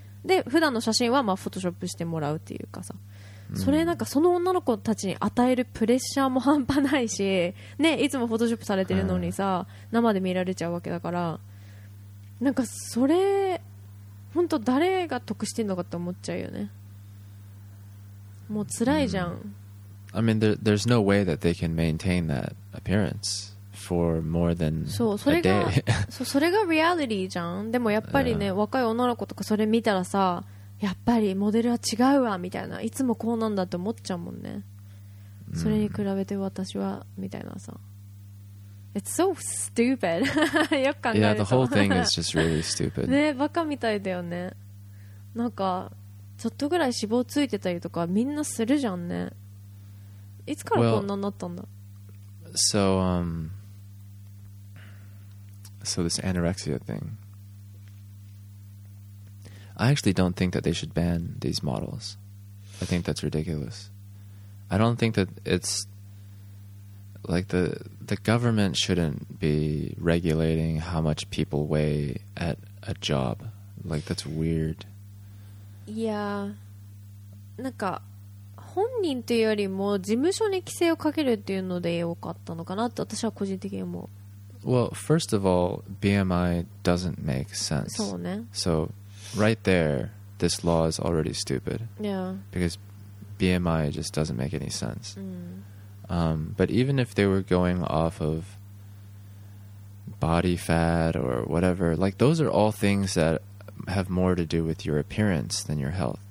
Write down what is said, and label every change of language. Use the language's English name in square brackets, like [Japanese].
[Japanese] で普段の写真はまあフォトショップしてもらうっていうかさ、それなんかその女の子たちに与えるプレッシャーも半端ないし、ね、いつもフォトショップされてるのにさ、生で見られちゃうわけだから、なんかそれ本当誰が得してんのかって思っちゃうよね。もう辛いじゃん。 [English] I mean, there's no way that they can maintain that appearance for more than a day. [Japanese] そう、それがリアリティじゃん。でもやっぱりね、若い女の子とかそれ見たらさ、やっぱりモデルは違うわみたいな、いつもこうなんだって思っちゃうもんね。それに比べて私はみたいなさ。 [English] It's so stupid. [Japanese] よく考えると。 [English] Yeah, the whole thing is just really stupid. [Japanese] ね、バカみたいだよね。なんかちょっとぐらい脂肪ついてたりとかみんなするじゃんね。いつからこんなになったんだ。 [English] So this anorexia thing. I actually don't think that they should ban these models. I think that's ridiculous. I don't think that it's like the government shouldn't be regulating how much people weigh at a job. Like that's weird. Yeah. [Japanese] なんか本人というよりも事務所に規制をかけるっていうので良かったのかなって私は個人的に思う。 [English] Well, first of all, BMI doesn't make sense. [Japanese] そうね。 [English] So, right there, this law is already stupid. Yeah. Because BMI just doesn't make any sense.、 [Japanese] うん、 [English] but even if they were going off of body fat or whatever, like those are all things that have more to do with your appearance than your health.